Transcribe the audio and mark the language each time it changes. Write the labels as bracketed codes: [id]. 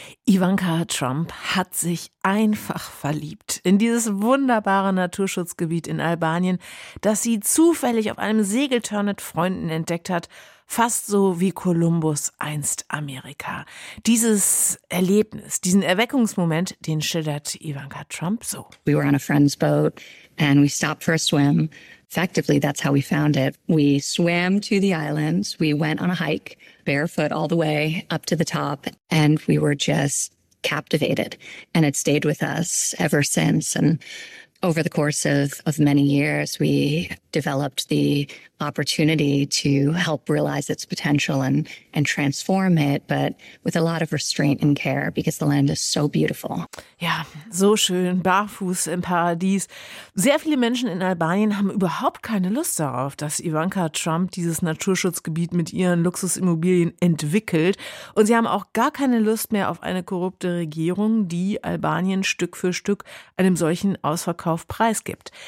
[de] Ivanka Trump hat sich einfach verliebt in dieses wunderbare Naturschutzgebiet in Albanien, das sie zufällig auf einem Segelturn mit Freunden entdeckt hat. Fast so wie Kolumbus einst Amerika. Dieses Erlebnis, diesen Erweckungsmoment, den schildert Ivanka Trump so. [en] We were on a friend's boat and we stopped for a swim. Effectively, that's how we found it. We swam to the islands. We went on a hike, barefoot all the way up to the top. And we were just captivated. And it stayed with us ever since. And over the course of many years, we developed the opportunity to help realize its potential and transform it, but with a lot of restraint and care, because the land is so beautiful. [de] Ja, so schön, barfuß im Paradies. Sehr viele Menschen in Albanien haben überhaupt keine Lust darauf, dass Ivanka Trump dieses Naturschutzgebiet mit ihren Luxusimmobilien entwickelt. Und sie haben auch gar keine Lust mehr auf eine korrupte Regierung, die Albanien Stück für Stück einem solchen Ausverkauf preisgibt.